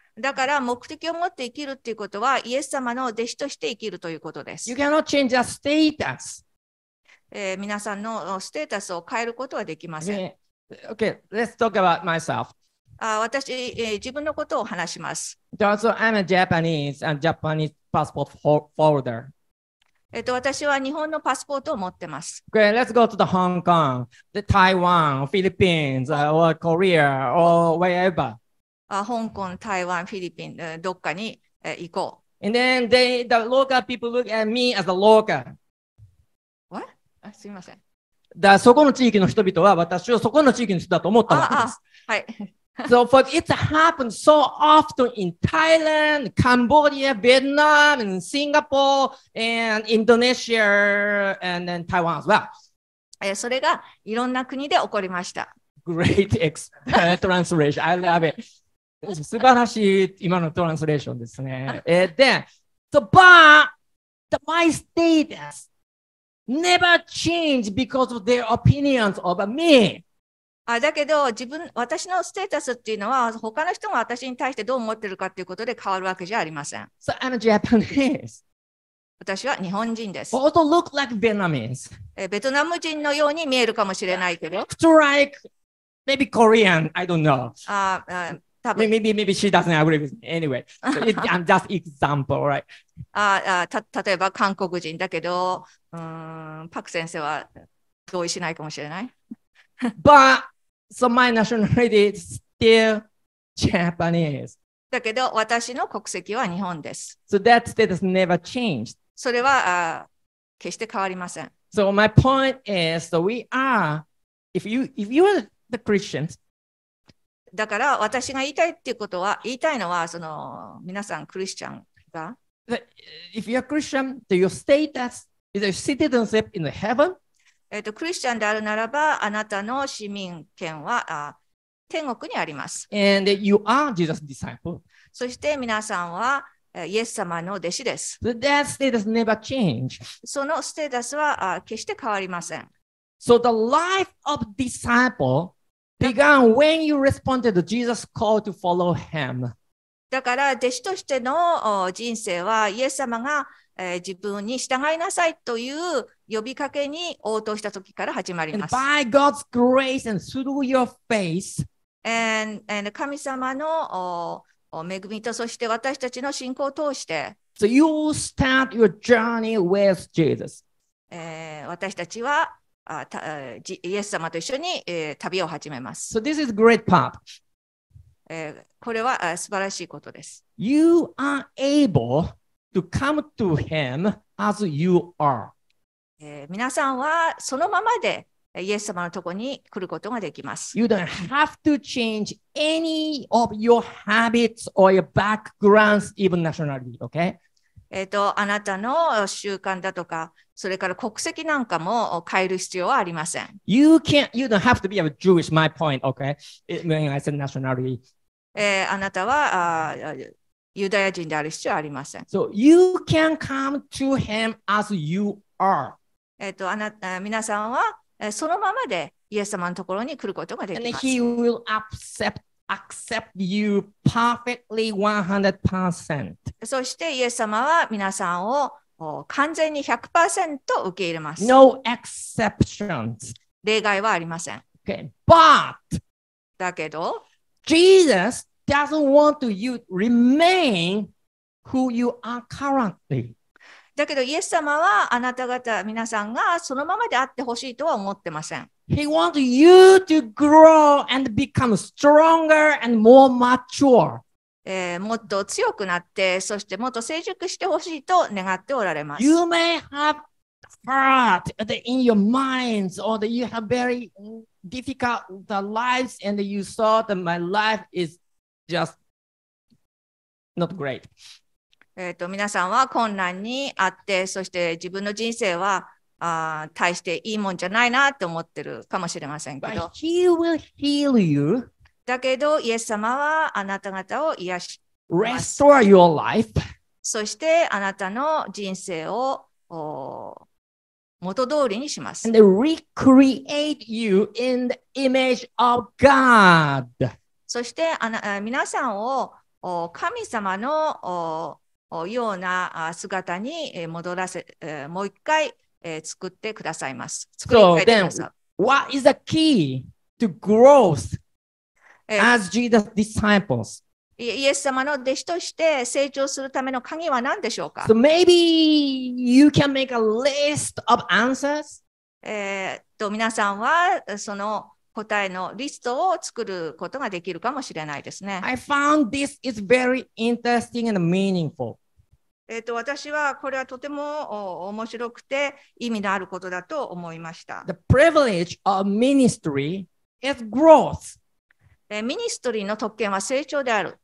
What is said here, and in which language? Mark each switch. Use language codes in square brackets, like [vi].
[ja] だから目的を持って生きるということはイエス様の弟子として生きるということです。 [en] You cannot change your status. [ja] 皆さんのステータスを変えることはできません。 [en] Okay, let's talk about myself. [ja] 私、自分のことを話します。 [en] So I'm a Japanese and Japanese passport holder. [ja] 私は日本のパスポートを持ってます。 [en] Okay, let's go to the Hong Kong, the Taiwan, Philippines, or Korea, or wherever. [ja] 香港、台湾、フィリピン、どっかに行こう。 [en] And then the local people look at me as a local. What? [ja] すみません。だそこの地域の人々は私をそこの地域の人だと思ったわけです。はい。 [en] So for it happens so often in Thailand, Cambodia, Vietnam, and Singapore, and Indonesia, and then Taiwan as well. [ja] それがいろんな国で起こりました。 [en] Great translation. I love it. [ja] 素晴らしい今のトランスレーションですね。 [en] then, so, but my status never changed because of their opinions over me. [ja] だけど自分私のステータスっていうのは他の人が私に対してどう思ってるかっていうことで変わるわけじゃありません。 [en] So I'm Japanese. [ja] 私は日本人です。 [en] But also look like Vietnamese. [ja] ベトナム人のように見えるかもしれないけど。 [en] Looks like maybe Korean. I don't know. Maybe she doesn't agree with me. Anyway, I'm just example, right? [ja] 例えば韓国人だけど、パク先生は同意しないかもしれない。 [en] But so my nationality is still Japanese. [ja] だけど私の国籍は日本です。 [en] So that status never changed. [ja] それは決して変わりません。 [en] So my point is, so we are, if you are the Christians. [ja] だから私が言いたいっていうことは言いたいのはその皆さんクリスチャンが。 [en] If you are Christian, do your status is a citizenship in the heaven? [ja] クリスチャンであるならば、あなたの市民権は天国にあります。 [en] And you are Jesus' disciple. [ja] そして皆さんはイエス様の弟子です。 [en] So、that status never change. [ja] そのステータスは決して変わりません。 [en] So the life of disciple began when you responded to Jesus' call to follow him. [ja] だから弟子としての人生はイエス様が自分に従いなさいという呼びかけに応答した時から始まります。 [en] And by God's grace and through your faith, and [ja] 神様の恵みとそして私たちの信仰を通して、 [en] So you start your journey with Jesus. [ja] 私たちはイエス様と一緒に旅を始めます。 [en] So this is a great part. [ja] これは素晴らしいことです。 [en] You are able. To come to him as you are. [ja] 皆さんはそのままでイエス様のところに来ることができます。 [en] You don't have to change any of your habits or your backgrounds, even nationality, okay? [ja] あなたの習慣だとか、それから国籍なんかも変える必要はありません。 [en] You don't have to be a Jewish, my point, okay? When I said nationality. [ja] あなたは、ユダヤ人である必要はありません。 [en] So you can come to him as you are. [ja] みなさんはそのままでイエス様のところに来ることができます。 [en] And he will accept you perfectly 100%. [ja] そしてイエス様はみなさんを完全に 100% 受け入れます。 [en] No exceptions. [ja] 例外はありません。 [en] Okay. But! [ja] だけど、 [en] Jesus! Doesn't want to you remain who you are currently. [ja] だけどイエス様はあなた方皆さんがそのままであってほしいとは思ってません。 [en] He wants you to grow and become stronger and more mature. [ja] もっと強くなってそしてもっと成熟してほしいと願っておられます。 [en] You may have heard that in your minds or that you have very difficult the lives and you saw that my life is. Just not great. [ja] 皆さんは困難にあって、そして自分の人生は大していいもんじゃないなと思ってるかもしれませんけど。 [en] But he will heal you. [ja] だけど、イエス様はあなた方を癒します。 [en] Restore your life. [ja] そしてあなたの人生を元通りにします。 [en] And recreate you in the image of God. [ja] そしてあの皆さんを神様のような姿に戻らせ、もう一回作ってくださいます。作り変えてください。 [en] So then, what is the key to growth as Jesus disciples? [ja] イエス様の弟子として成長するための鍵は何でしょうか。 [en] So maybe you can make a list of answers. [ja] 皆さんはその答えのリストを作ることができるかもしれないですね。 [en] I found this is very interesting and meaningful. [ja] 私はこれはとても面白くて意味のあることだと思いました。 [en] The privilege of ministry is growth. [ja] ミニストリーの特権は成長である。